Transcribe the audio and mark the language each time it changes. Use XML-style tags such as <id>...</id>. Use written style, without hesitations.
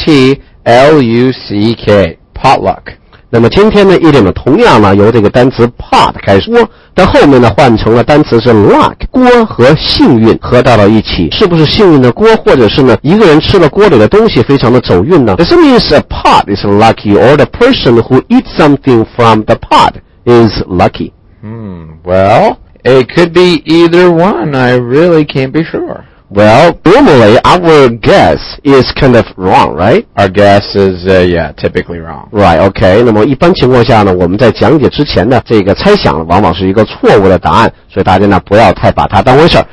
<en>P-O-T-L-U-C-K, potluck.</en> <zh>那么今天的一点呢，同样呢由这个单词 pot 开始，锅，但后面呢换成了单词是 luck, 锅和幸运合到了一起。是不是幸运的锅，或者是呢一个人吃了锅里的东西非常的走运呢？</zh> <en>This means a pot is lucky, or the person who eats something from the pot is lucky. Well, it could be either one, I really can't be sure. Well, normally, our guess is kind of wrong, right? Our guess is, typically wrong. Right, okay.</en> <zh>那么一般情况下呢，我们在讲解之前呢，这个猜想往往是一个错误的答案，所以大家呢，不要太把它当回事儿。</zh>